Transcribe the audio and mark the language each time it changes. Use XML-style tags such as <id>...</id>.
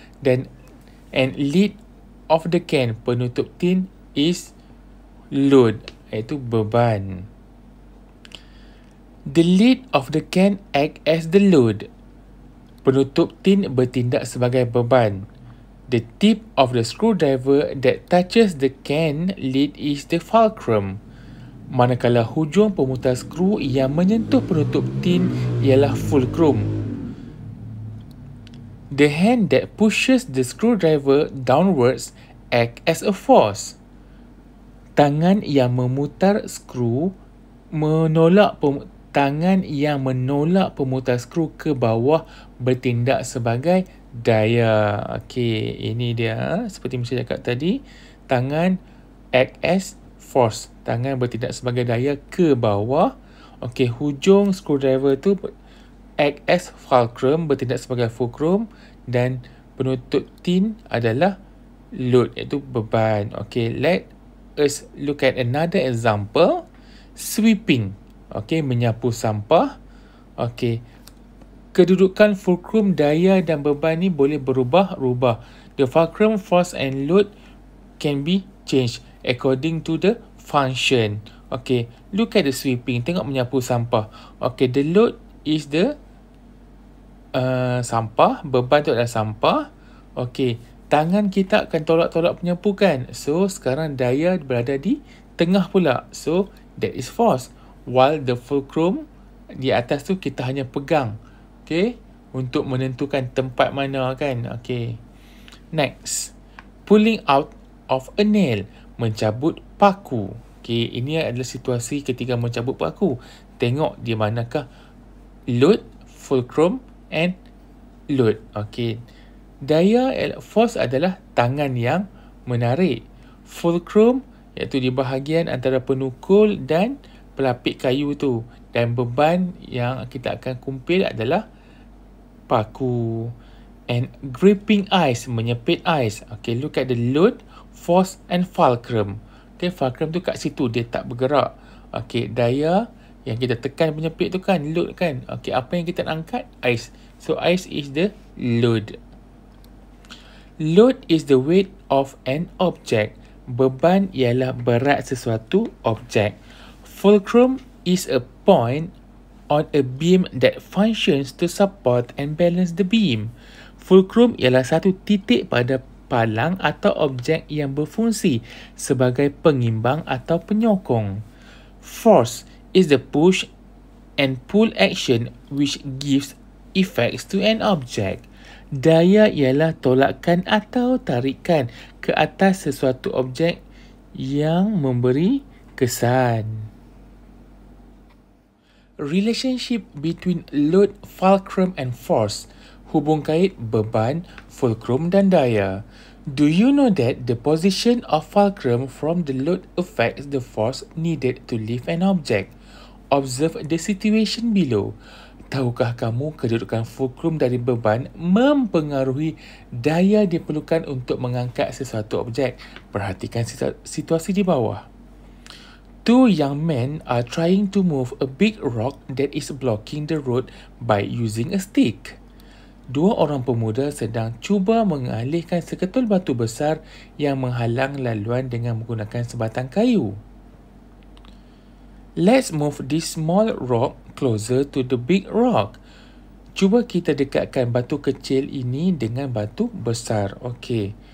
<en>Then, and lid of the can,</en> <ms>penutup tin,</ms> <en>is load,</en> <ms>iaitu beban.</ms> <en>The lid of the can act as the load.</en> <ms>Penutup tin bertindak sebagai beban.</ms> <en>The tip of the screwdriver that touches the can lid is the fulcrum.</en> <ms>Manakala hujung pemutar skru yang menyentuh penutup tin ialah fulcrum.</ms> <en>The hand that pushes the screwdriver downwards act as a force.</en> <ms>Tangan yang memutar skru menolak pemutar skru ke bawah bertindak sebagai daya. Okey, ini dia. Seperti yang saya cakap tadi, tangan</ms> <en>act as force.</en> <ms>Tangan bertindak sebagai daya ke bawah. Okey, hujung screwdriver tu</ms> <en>act as fulcrum,</en> <ms>bertindak sebagai fulcrum. Dan penutup tin adalah load, iaitu beban.</ms> <en>Okey, let us look at another example. Sweeping.</en> <ms>Okey, menyapu sampah. Okey. Kedudukan fulcrum, daya dan beban ni boleh berubah-ubah.</ms> <en>The fulcrum, force and load can be changed according to the function. Okay, look at the sweeping.</en> <ms>Tengok menyapu sampah.</ms> <en>Okay, the load is the sampah.</en> <ms>Beban tu adalah sampah. Okay, tangan kita akan tolak-tolak penyapu kan? So, sekarang daya berada di tengah pula.</ms> <en>So, that is false. While the fulcrum</en> <ms>di atas tu kita hanya pegang.</ms> <en>Okay?</en> <ms>Untuk menentukan tempat mana kan.</ms> <en>Okay. Next. Pulling out of a nail.</en> <ms>Mencabut paku. Okay, ini adalah situasi ketika mencabut paku. Tengok di manakah load, fulcrum and load. Okay. Daya force adalah tangan yang menarik. Fulcrum iaitu di bahagian antara penukul dan pelapik kayu tu. Dan beban yang kita akan kumpil adalah paku.</ms> <en>And gripping ice,</en> <ms>menyepit</ms> <en>ice. Okay, look at the load, force and fulcrum.</en> <ms>Okay, fulcrum tu kat situ, dia tak bergerak. Okay, daya yang kita tekan menyepit tu kan, load kan.</ms> <en>Okay,</en> <ms>apa yang kita nak angkat?</ms> <en>Ice. So, ice is the load. Load is the weight of an object.</en> <ms>Beban ialah berat sesuatu objek.</ms> <en>Fulcrum is a point on a beam that functions to support and balance the beam.</en> <ms>Fulcrum ialah satu titik pada palang atau objek yang berfungsi sebagai pengimbang atau penyokong.</ms> <en>Force is the push and pull action which gives effects to an object.</en> <ms>Daya ialah tolakan atau tarikan ke atas sesuatu objek yang memberi kesan.</ms> <en>Relationship between load, fulcrum and force.</en> <ms>Hubung kait beban, fulcrum dan daya.</ms> <en>Do you know that the position of fulcrum from the load affects the force needed to lift an object? Observe the situation below.</en> <ms>Tahukah kamu kedudukan fulcrum dari beban mempengaruhi daya diperlukan untuk mengangkat sesuatu objek? Perhatikan situasi di bawah.</ms> <en>Two young men are trying to move a big rock that is blocking the road by using a stick.</en> <ms>Dua orang pemuda sedang cuba mengalihkan seketul batu besar yang menghalang laluan dengan menggunakan sebatang kayu.</ms> <en>Let's move this small rock closer to the big rock.</en> <ms>Cuba kita dekatkan batu kecil ini dengan batu besar. Okay.</ms>